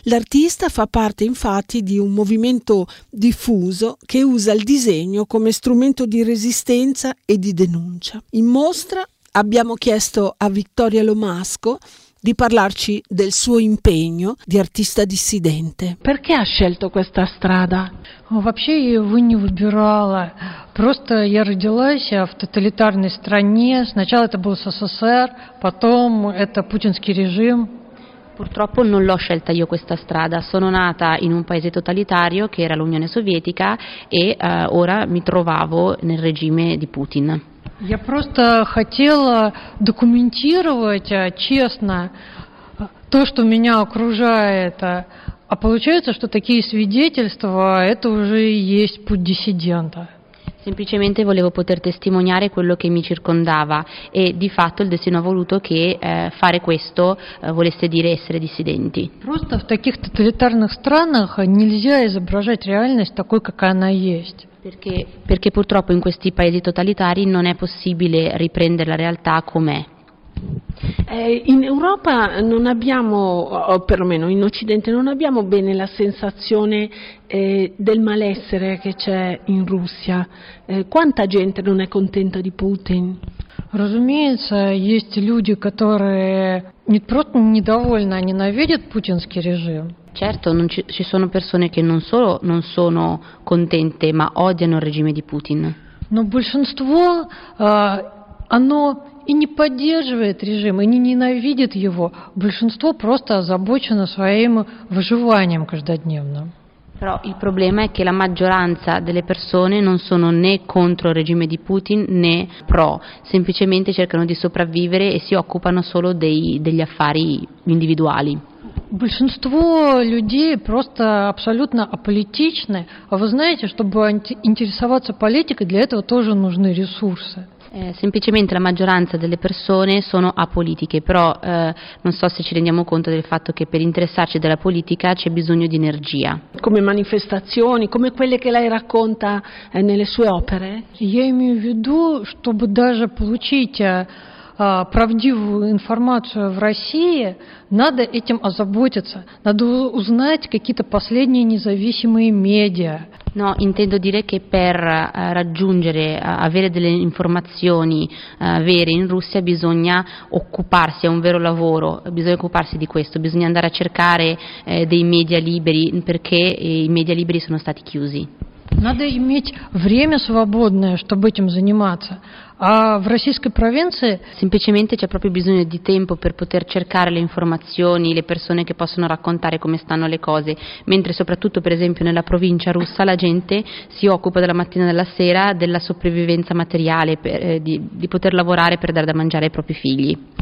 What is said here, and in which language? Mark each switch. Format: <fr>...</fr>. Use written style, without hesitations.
<it>L'artista fa parte infatti di un movimento diffuso che usa il disegno come strumento di resistenza e di denuncia. In mostra abbiamo chiesto a Vittoria Lomasco di parlarci del suo impegno di artista dissidente. Perché ha scelto questa strada?</it> <ru>Вообще я его не выбирала. Просто я родилась в тоталитарной стране. Сначала это был СССР, потом это путинский режим.</ru> <it>Purtroppo non l'ho scelta io questa strada. Sono nata in un paese totalitario che era l'Unione Sovietica e ora mi trovavo nel regime di Putin.</it> <ru>Я просто хотела документировать честно то, что меня окружает. А получается, что такие свидетельства – это уже и есть путь диссидента.</ru> <it>Semplicemente volevo poter testimoniare quello che mi circondava e di fatto il destino ha voluto che fare questo volesse dire essere dissidenti.</it> <ru>Просто в таких тоталитарных странах нельзя изображать реальность такой, какая она есть.</ru> <it>Perché purtroppo in questi paesi totalitari non è possibile riprendere la realtà com'è. In Europa non abbiamo, o perlomeno in Occidente, non abbiamo bene la sensazione del malessere che c'è in Russia. Quanta gente non è contenta di Putin?</it> <ru>Разумеется, есть люди, которые не просто недовольны, а ненавидят путинский режим.</ru> <it>Certo, ci sono persone che non solo non sono contente, ma odiano il regime di Putin.</it> <ru>Но большинство, оно и не поддерживает режим, и не ненавидит его. Большинство просто озабочено своим выживанием каждодневным.</ru> <it>Però il problema è che la maggioranza delle persone non sono né contro il regime di Putin né pro, semplicemente cercano di sopravvivere e si occupano solo degli affari individuali.</it> <ru>Большинство людей просто абсолютно аполитичны, а вы знаете, чтобы интересоваться политикой, для этого тоже нужны ресурсы.</ru> <it>Semplicemente la maggioranza delle persone sono apolitiche, però non so se ci rendiamo conto del fatto che per interessarci della politica c'è bisogno di energia. Come manifestazioni, come quelle che lei racconta nelle sue opere?</it> <ru>Я имею в виду, чтобы даже получить правдивую информацию в России, надо этим озаботиться, надо узнать какие-то последние независимые медиа.</ru> <it>No, intendo dire che per raggiungere, avere delle informazioni vere in Russia bisogna occuparsi, è un vero lavoro, bisogna occuparsi di questo, bisogna andare a cercare dei media liberi perché i media liberi sono stati chiusi.</it> <ru>Надо иметь время свободное, чтобы этим заниматься. А в российской провинции...</ru> <it>Semplicemente c'è proprio bisogno di tempo per poter cercare le informazioni, le persone che possono raccontare come stanno le cose. Mentre soprattutto, per esempio, nella provincia russa la gente si occupa dalla mattina alla sera della sopravvivenza materiale, di poter lavorare per dare da mangiare ai propri figli.</it>